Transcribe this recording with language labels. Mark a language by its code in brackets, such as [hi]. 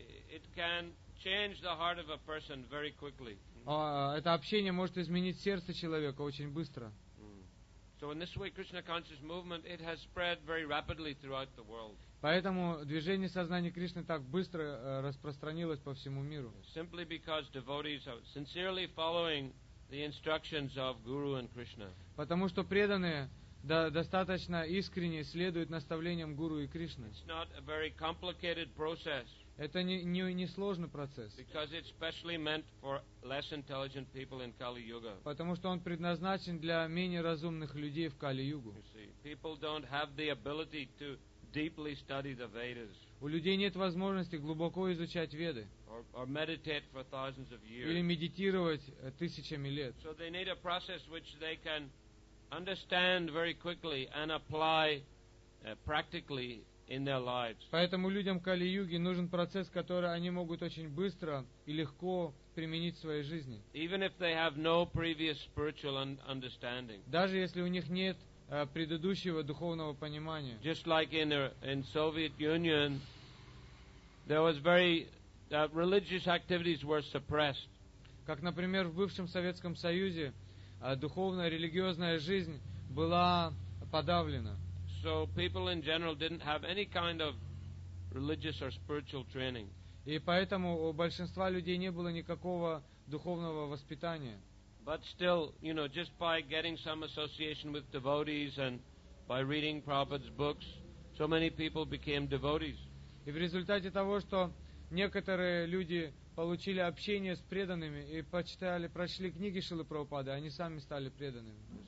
[en] It can change the heart of a person very quickly. [ru] Это общение может изменить сердце человека очень быстро. [en] So in this way, Krishna conscious movement, it has spread very rapidly throughout the world. [ru] Поэтому движение сознания Кришны так быстро распространилось по всему миру. [en] Simply because devotees are sincerely following the instructions of Guru and Krishna. [ru] Потому что преданные достаточно искренне следуют наставлениям Гуру и Кришны. [en] It's not a very complicated process. [ru] Это не сложный процесс. [en] Because it's specially meant for less intelligent people in Kali Yuga. [ru] Потому что он предназначен для менее разумных людей в Кали-югу. [en] You see, people don't have the ability to deeply study the Vedas. [ru] У людей нет возможности глубоко изучать Веды. [en] Or meditate for thousands of years. [ru] Или медитировать тысячами лет. [en] So they need a process which they can understand very quickly and apply practically. In their lives. [ru] Поэтому людям Кали-юги нужен процесс, который они могут очень быстро и легко применить в своей жизни. [en] Even if they have no previous spiritual understanding. [ru] Даже если у них нет предыдущего духовного понимания. [en] Just like in Soviet Union, there was very religious activities were suppressed. [ru] Как, например, в бывшем Советском Союзе духовная религиозная жизнь была подавлена. [en] So people in general didn't have any kind of religious or spiritual training. [ru] И поэтому у большинства людей не было никакого духовного воспитания. [en] But still, you know, just by getting some association with devotees and by reading Prabhupada's books, so many people became devotees. [ru] И в результате того, что некоторые люди получили общение с преданными и прочли книги Шрилы Прабхупады, они сами стали преданными.